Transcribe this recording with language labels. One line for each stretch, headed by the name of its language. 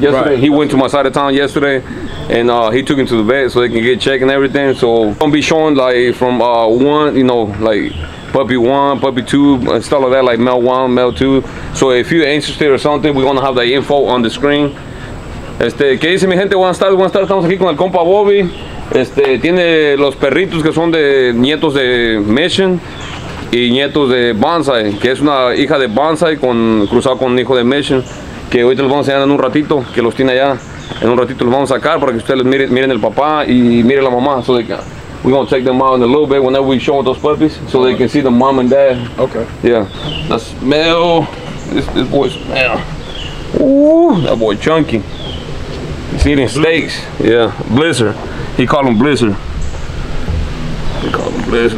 English: Right. He went to my side of town yesterday, and he took him to the vet so they can get checked and everything. So I'm gonna be showing like from one, you know, like puppy one, puppy two, and stuff like that, like male one, male two. So if you're interested or something, we're gonna have the info on the screen.
Spanish: ¿Qué dice mi gente? Buenas tardes, estamos aquí con el compa Bobby. Tiene los perritos que son de nietos de Mission y nietos de Bonsai, que es una hija de Bonsai cruzado con un hijo de Mission, que ahorita los vamos a enseñar en un ratito, que los tiene allá. En un ratito los vamos a sacar para que ustedes miren el papá y miren la mamá.
English: So we're gonna take them out in a little bit whenever we show those puppies, so they can see the mom and dad. Okay. Yeah. That's male. This boy's male. Ooh, that boy chunky. He's eating steaks. Yeah. Blizzard. He called him Blizzard. He called him Blizzard.